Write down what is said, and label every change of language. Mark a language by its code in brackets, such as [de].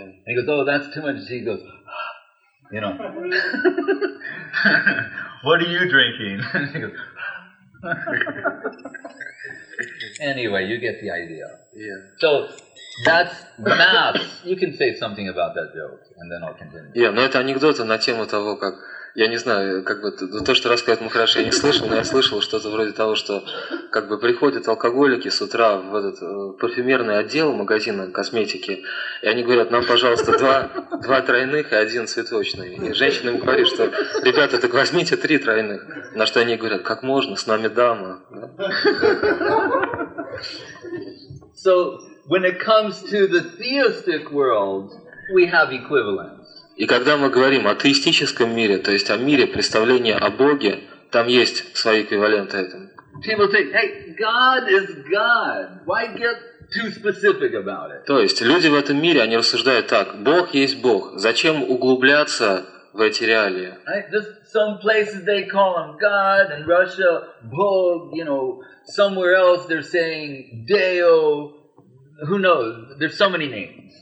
[en] And he goes, oh, that's too much. And she goes, you know, what are you drinking? And he goes, anyway, you get the idea. Yeah. So. That's maths. You can say something about that joke, and then I'll continue. [ru] Yeah, но это анекдоты на тему того, как я не знаю, как бы то, что рассказывает Махараш, я не слышал, но я слышал что-то вроде того, что как бы приходят алкоголики с утра в этот парфюмерный отдел магазина косметики, и они говорят: нам, пожалуйста, два тройных и один цветочный. И женщина им говорит, что ребята, так возьмите три тройных. На что они говорят: как можно, с нами дама. [en] So. When it comes to the theistic world, we have equivalents. [ru] И когда мы говорим о теистическом мире, то есть о мире представления о Боге, там есть свои эквиваленты этому. [en] People say, "Hey, God is God. Why get too specific about it?" [ru] То есть люди в этом мире, они рассуждают так: Бог есть Бог. Зачем углубляться в эти реалии. [en] Right? Just some places they call him God, in Russia, Bog, you know, somewhere else they're saying Deo, who knows, there's so many names.